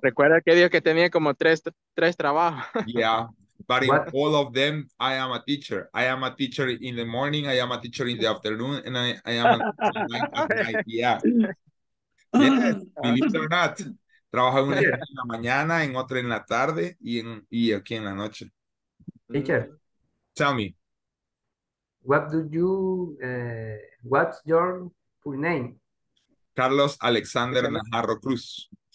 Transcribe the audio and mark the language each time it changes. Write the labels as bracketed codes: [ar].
[es] Recuerda que dijo que tenía como tres trabajos. [en] Yeah, but in What? all of them, I am a teacher. I am a teacher in the morning, I am a teacher in the afternoon, and I am a teacher at night. Yeah. Yes, believe it or not. [es] Trabajo en una escuela en la mañana, en otra en la tarde y aquí en la noche. [en] Teacher, Tell me. what do you what's your full name? Carlos Alexander Najarro Cruz.